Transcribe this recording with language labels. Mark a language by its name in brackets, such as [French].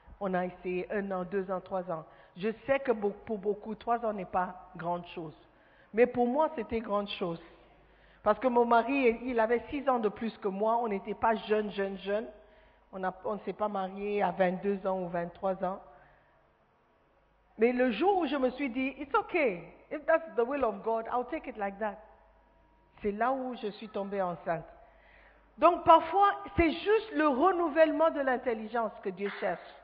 [French] On a essayé 1 an, 2 ans, 3 ans. Je sais que pour beaucoup, 3 ans n'est pas grande chose. Mais pour moi, c'était grande chose. Parce que mon mari, il avait 6 ans de plus que moi. On n'était pas jeune. On ne s'est pas marié à 22 ans ou 23 ans. Mais le jour où je me suis dit, [English] it's okay, if that's the will of God, I'll take it like that. [French] C'est là où je suis tombée enceinte. Donc parfois, c'est juste le renouvellement de l'intelligence que Dieu cherche.